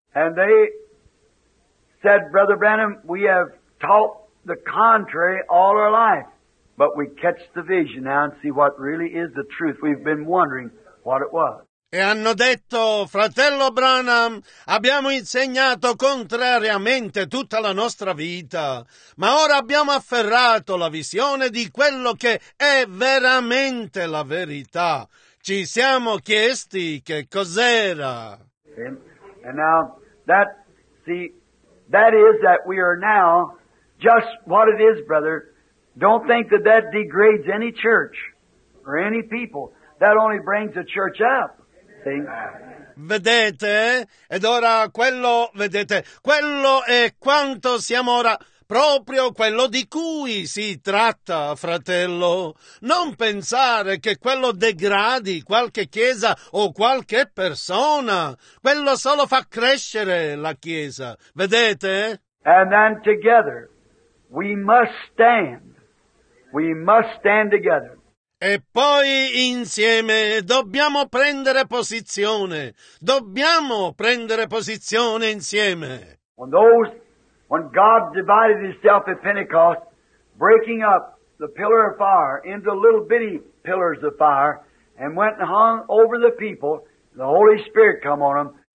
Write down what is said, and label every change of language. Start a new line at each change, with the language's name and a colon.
English: And they said, Brother Branham, we have taught the contrary all our life, but we catch the vision now and see what really is the truth. We've been wondering what it was.
Italian: E hanno detto, fratello Branham, abbiamo insegnato contrariamente tutta la nostra vita, ma ora abbiamo afferrato la visione di quello che è veramente la verità. Ci siamo chiesti che cos'era.
English: And now, that, see, that is that we are now just what it is, brother. Don't think that that degrades any church or any people. That only brings the church up.
Italian: Vedete? Ed ora quello, vedete, quello è quanto siamo ora, proprio quello di cui si tratta, fratello. Non pensare che quello degradi qualche chiesa o qualche persona. Quello solo fa crescere la chiesa. Vedete?
English: And then together we must stand. We must stand together.
Italian: E poi insieme dobbiamo prendere posizione. Dobbiamo prendere posizione insieme.
English: When God divided himself at Pentecost, breaking up the pillar of fire into little bitty pillars of fire, and went and hung over the people, the Holy Spirit come on them.